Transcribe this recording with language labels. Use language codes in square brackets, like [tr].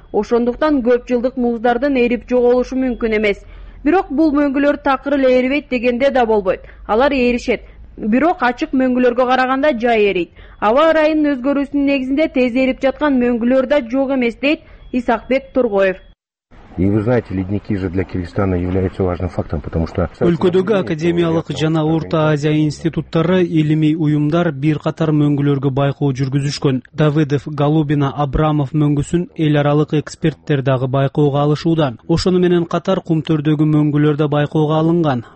[ky] Ошондуктан көп жылдык муздардын ээрип жоголушу мүмкүн эмес. Бирок бул мөңгүлөр такыр эле эрибейт дегенде да болбойт. Алар ээришет. Бирок ачык мөңгүлөргө караганда жай эрийт. Аба ырайынын өзгөрүүсүнүн негизинде тез эрип жаткан мөңгүлөр да жок эмес, дейт Исакбек Тургоев. [ru] И вы знаете, ледники же для Кыргызстана являются важным фактом, потому что [ky] өлкөдөгү академиялык жана Орто Азия институттары, илимий уюмдар бир катар мөңгүлөргө байкоо жүргүзүшкөн. Давыдов, Голубина, Абрамов мөңгүсүн эл аралык эксперттер дагы байкоого алышууда. Ошону менен катар Кумтөрдөгү мөңгүлөр да байкоого алынган.